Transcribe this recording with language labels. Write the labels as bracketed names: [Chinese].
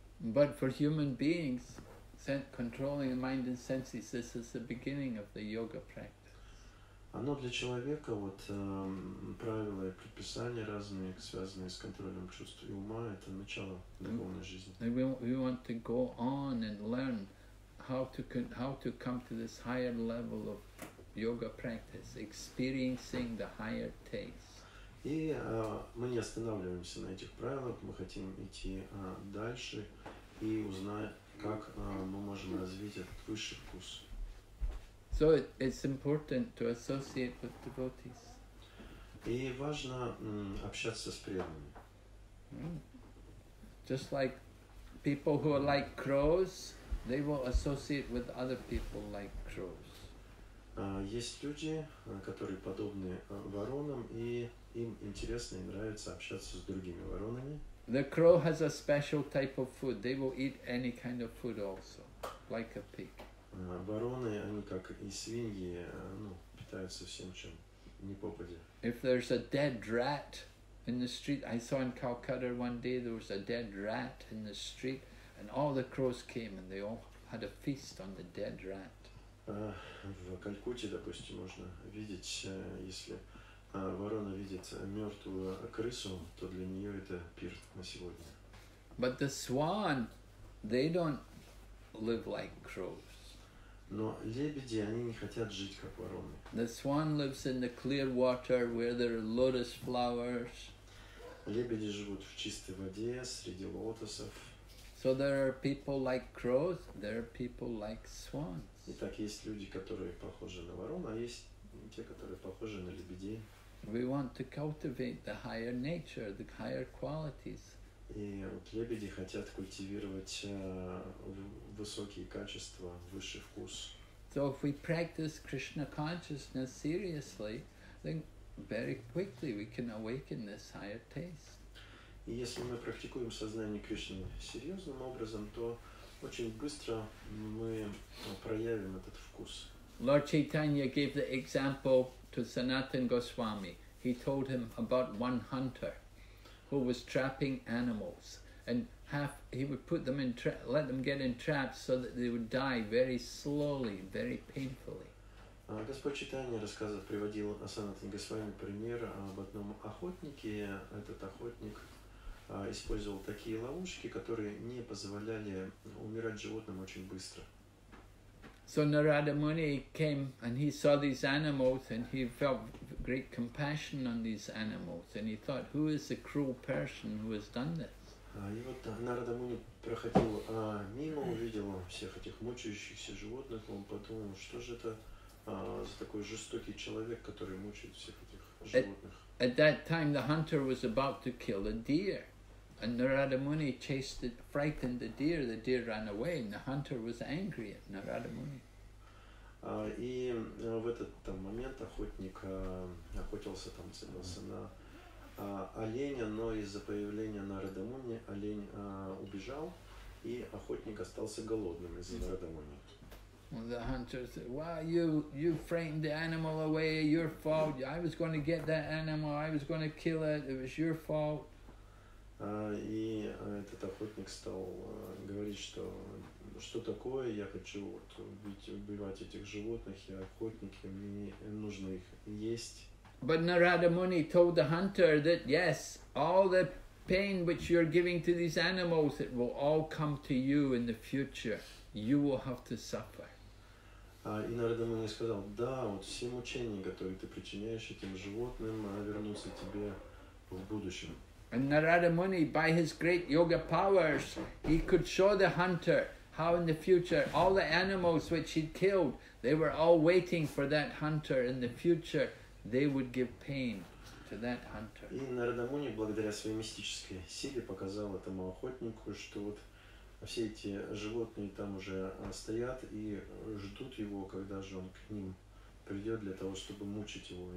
[English] But for human beings, controlling the mind and senses, this is the beginning of the yoga practice. [Russian] Оно для человека, вот правила и предписания разные, связанные с контролем чувств и ума, это начало духовной жизни. [English] We want to go on and learn how to come to this higher level of yoga practice, experiencing the higher taste. [Russian] И мы не останавливаемся на этих правилах, мы хотим идти дальше и узнать, как мы можем развить этот высший вкус. [English] So it's important to associate with devotees. [Russian] И важно общаться с преданными. [English] Just like people who are like crows, they will associate with other people like crows. [Russian] Есть люди, которые подобны воронам, и им интересно и нравится общаться с другими воронами. [English] The crow has a special type of food. They will eat any kind of food also, like a pig. [Russian] Вороны, они как и свиньи, питаются всем, чем не попадя. [English] If there's a dead rat in the street, I saw in Calcutta one day there was a dead rat in the street. And all the crows came, and they all had a feast on the dead rat. [Russian] В Калькутте, допустим, можно видеть, если ворона видит мертвую крысу, то для нее это пир на сегодня. [English] But the swan, they don't live like crows. [Russian] Но лебеди, они не хотят жить как вороны. [English] The swan lives in the clear water where there are lotus flowers. [Russian] Лебеди живут в чистой воде среди лотосов. [English] So there are people like crows, there are people like swans. [Russian] Итак, есть люди, которые похожи на ворон, а есть те, которые похожи на лебедей. [English] We want to cultivate the higher nature, the higher qualities. [Russian] И вот лебеди хотят культивировать высокие качества, высший вкус. [English] So if we practice Krishna consciousness seriously, then very quickly we can awaken this higher taste. [Russian] И если мы практикуем сознание Кришны серьезным образом, то очень быстро мы проявим этот вкус. [English] Lord Chaitanya gave the example to Sanatana Goswami. He told him about one hunter who was trapping animals. And have, he would put them in, let them get entrapped so that they would die very slowly, very painfully. [Russian] Господь Читания рассказывает, приводил Асанатан Госвами пример об одном охотнике. Этот охотник использовал такие ловушки, которые не позволяли умирать животным очень быстро. [English] So Narada Muni came and he saw these animals and he felt great compassion on these animals and he thought, who is the cruel person who has done this? [Russian] И вот Нарада Муни проходил мимо, увидел всех этих мучающихся животных, он подумал, что же это за такой жестокий человек, который мучает всех этих животных. [English] At that time the hunter was about to kill a deer. And Narada Muni chased it, frightened the deer ran away, and the hunter was angry at Narada Muni. [Russian] И в этот там момент охотник охотился там, целился на оленя, но из-за появления Нарада Муни олень убежал, и охотник остался голодным из-за Нарада Муни. [English] Well, the hunter said, "Wow, you frightened the animal away, your fault. I was going to get that animal, I was going to kill it, it was your fault." [Russian] И этот охотник стал говорить, что что такое, я хочу вот, убивать этих животных, я охотник, и мне нужно их есть. [English] But Narada Muni told the hunter that yes, all the pain which you're giving to these animals, it will all come to you in the future. You will have to suffer. [Russian] И Narada Muni сказал, да, вот все мучения, которые ты причиняешь этим животным, вернутся тебе в будущем. [English] And Narada Muni, by his great yoga powers, he could show the hunter how in the future all the animals which he'd killed, they were all waiting for that hunter in the future, they would give pain to that hunter. [Russian] И Narada Muni, благодаря своей мистической силе, показал этому охотнику, что вот все эти животные там уже стоят и ждут его, когда же он к ним придет для того, чтобы мучить его.